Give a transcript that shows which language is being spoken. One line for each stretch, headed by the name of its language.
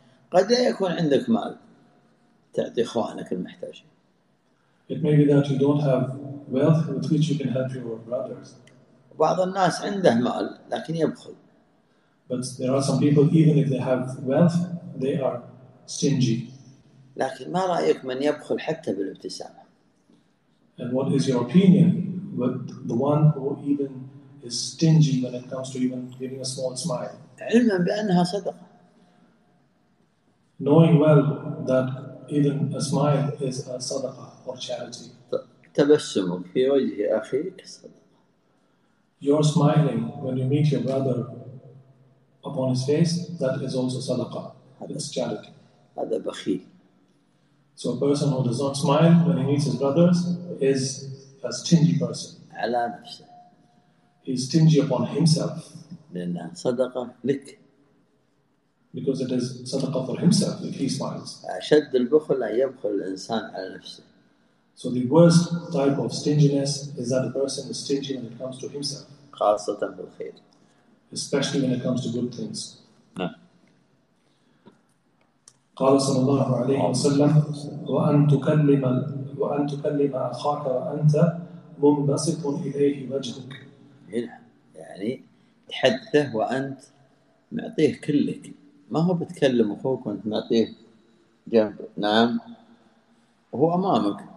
Arabic: قد يكون عندك مال تعطي إخوانك المحتاجين.
English: It may be that you don't have wealth with which you can help your brothers.
Arabic: بعض الناس عنده مال لكن يبخل.
English: But there are some people, even if they have wealth, they are stingy.
Arabic: لكن ما رأيك من يبخل حتى بالابتسامة؟
English: And what is your opinion with the one who even is stingy when it comes to even giving a small smile?
Arabic: علما بأنها صدقة.
English: Knowing well that even a smile is a sadaqah.
Arabic: تبسمك في وجه أخيك صدقة.
English: You're smiling when you meet your brother upon his face. That is also sadaqa. It's charity.
Arabic: هذا بخيل.
English: So a person who does not smile when he meets his brothers is a stingy person.
Arabic: على نفسه.
English: He is stingy upon himself.
Arabic: لأنها صدقة لك.
English: Because it is sadaqa for himself if he smiles.
Arabic: أشد البخل أن يبخل الإنسان على نفسه.
English: So the worst type of stinginess is that a person is stingy when it comes to himself.
Arabic: خاصة بالخير.
English: Especially when it comes to good things. No.
Arabic: قال صلى الله عليه وسلم وأن تكلم أخاك وأنت منبسط إليه وجهك. يعني تحدثه وأنت معطيه كلك. ما هو بتكلم أخوك وأنت معطيه جنب نعم وهو أمامك.